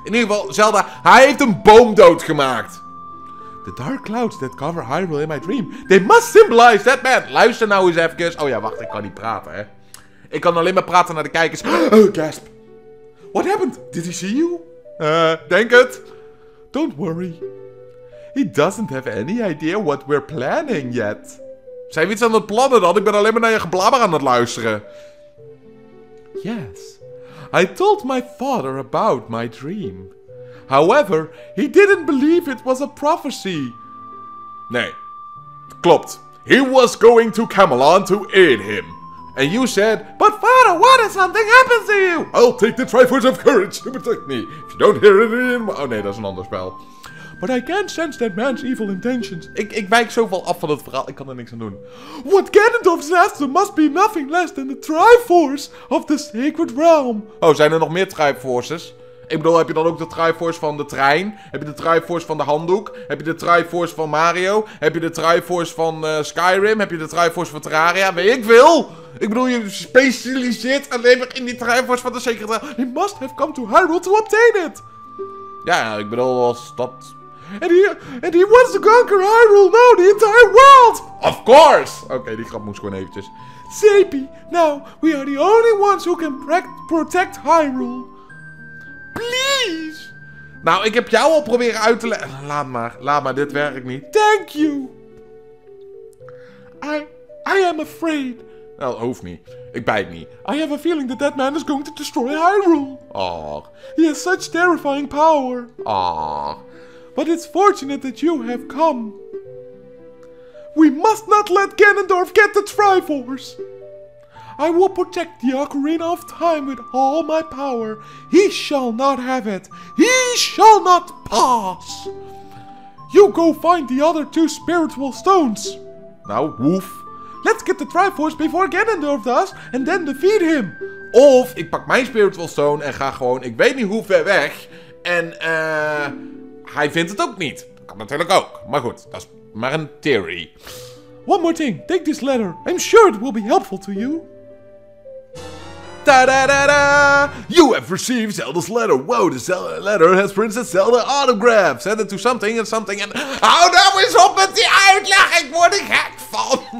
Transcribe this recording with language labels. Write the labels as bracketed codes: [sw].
[nl] In ieder geval, Zelda, hij heeft een boom doodgemaakt. [en] The dark clouds that cover Hyrule in my dream, they must symbolize that man. [nl] Luister nou eens even. Oh ja, wacht, ik kan niet praten, hè. Ik kan alleen maar praten naar de kijkers. [en] Gasp. What happened? Did he see you? [nl] Denk het. [en] Don't worry. He doesn't have any idea what we're planning yet. [nl] Zijn we iets aan het plannen dan? Ik ben alleen maar naar je geblabber aan het luisteren. [en] Yes. I told my father about my dream. However, he didn't believe it was a prophecy. [nl] Nee. Klopt. [en] He was going to Camelon to aid him. And you said, but father, what if something happens to you? I'll take the Triforce of Courage to protect me. If you don't hear it in... [nl] Oh nee, dat is een ander spel. [en] But I can't sense that man's evil intentions. [nl] Ik wijk zoveel af van het verhaal, ik kan er niks aan doen. [en] What Ganondorf is after must be nothing less than the Triforce of the Sacred Realm. [nl] Oh, zijn er nog meer Triforces? Ik bedoel, heb je dan ook de Triforce van de trein? Heb je de Triforce van de handdoek? Heb je de Triforce van Mario? Heb je de Triforce van Skyrim? Heb je de Triforce van Terraria? Weet ik veel! Ik bedoel, je specialiseert alleen maar in die Triforce van de Sacred Realm. [en] He must have come to Hyrule to obtain it! [nl] Ja, ik bedoel, als dat... [en] And he wants to conquer Hyrule now, the entire world! Of course! [nl] Oké, die grap moest gewoon eventjes. [en] Sapi, now we are the only ones who can protect Hyrule. Please! [nl] Nou, ik heb jou al proberen uit te leggen. Laat maar, dit werkt niet. [en] Thank you! I am afraid. [nl] Nou, hoeft niet. Ik bijt niet. [en] I have a feeling that man is going to destroy Hyrule. Oh. He has such terrifying power. Oh. But it's fortunate that you have come. We must not let Ganondorf get the Triforce. I will protect the Ocarina of Time with all my power. He shall not have it. He shall not pass. You go find the other two spiritual stones. Now, woof. Let's get the Triforce before Ganondorf does and then defeat him. [nl] Of ik pak mijn spiritual stone en ga gewoon, ik weet niet hoe ver weg. En hij vindt het ook niet. Dat kan natuurlijk ook. Maar goed, dat is maar een theory. [en] One more thing. Take this letter. I'm sure it will be helpful to you. Ta-da-da-da! You have received Zelda's letter. Whoa, the Zelda letter has Princess Zelda autographed. Send it to something and something and... [nl] Hou nou eens op met die uitleg! Ik word er gek van!